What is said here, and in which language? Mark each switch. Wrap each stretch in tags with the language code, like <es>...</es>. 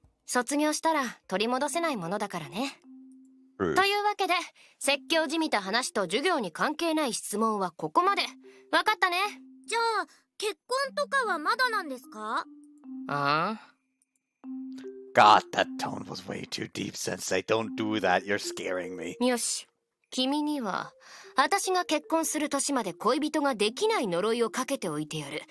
<ja>卒業したら取り戻せないものだからね。というわけで、説教じみた話と授業に関係ない質問はここまで。わかったね。じゃあ、結婚とかはまだなんですか？ああ。</ja> <en>God, that tone was way too deep, Sensei. Don't do that. You're scaring me.</en> <ja>よし。君には、私が結婚する年まで恋人ができない呪いをかけておいてやる。</ja>